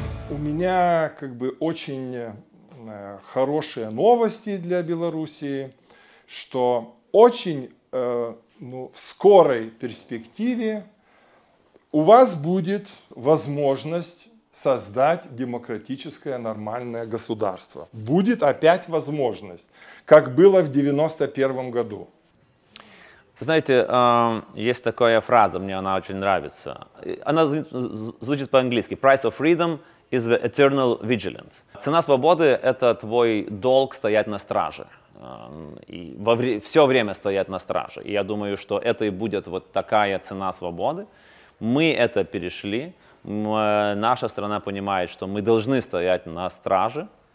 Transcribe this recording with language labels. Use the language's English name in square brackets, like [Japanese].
[Russian] У меня как бы очень хорошие новости для Белоруссии, что очень в скорой перспективе у вас будет возможность создать демократическое нормальное государство. Будет опять возможность, как было в 91-м году. Знаете, есть такая фраза, мне она очень нравится. Она звучит по-английски. [English] Price of freedom is the eternal vigilance. [Russian] Цена свободы – это твой долг стоять на страже. И все время стоят на страже. И я думаю, что это и будет вот такая цена свободы. Мы это перешли. Наша страна понимает, что мы должны стоять на страже.